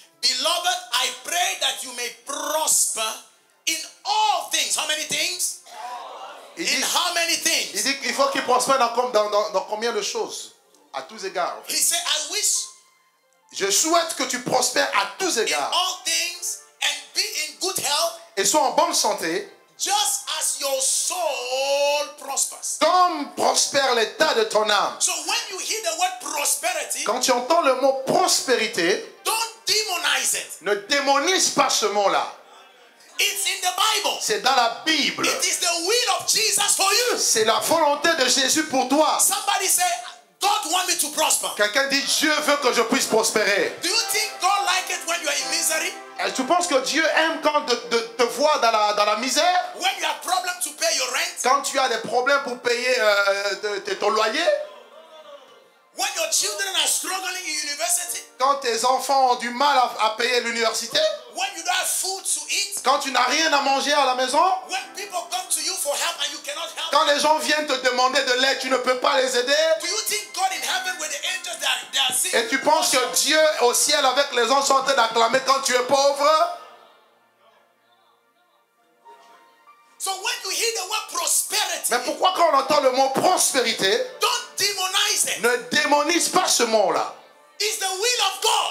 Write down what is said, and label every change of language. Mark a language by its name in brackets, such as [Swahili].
[English] Beloved, I pray that you may prosper in all things. How many things? In how many things? [French] Il dit qu'il faut qu'il prospère dans combien de choses? À tous égards. [English] He said, I wish. [French] Je souhaite que tu prospères à tous égards. [English] In all things and be in good health. [French] Et sois en bonne santé. [English] Just as your soul prospers. [French] Comme prospère l'état de ton âme. [English] So when you hear the word prosperity, [French] quand tu entends le mot prospérité, [English] don't demonize it. [French] Ne démonise pas ce mot-là. [English] It's in the Bible. [French] C'est dans la Bible. [English] It is the will of Jesus for you. [French] C'est la volonté de Jésus pour toi. [English] Somebody say, God want me to prosper. [French] Quelqu'un dit, Dieu veut que je puisse prospérer. [English] Do you think God like it when you are in misery? [French] Et tu penses que Dieu aime quand te voir dans la misère? [English] When you have problem to pay your rent? [French] Quand tu as des problèmes pour payer ton loyer? [English] When your children are struggling in university? [French] Quand tes enfants ont du mal à payer l'université? [English] When you don't have food to eat? [French] Quand tu n'as rien à manger à la maison? [English] When people come to you for help and you cannot help? [French] Quand les gens viennent te demander de l'aide, tu ne peux pas les aider? [English] Do you think God in heaven with the angels they are seeing? [French] Et tu penses que Dieu au ciel avec les anges sont en train d'acclamer quand tu es pauvre? [English] So when you hear the word prosperity, [French] mais pourquoi quand on entend le mot prospérité, [English] don't demonize it. [French] Ne démonise pas ce mot-là. [English] It's the will of God.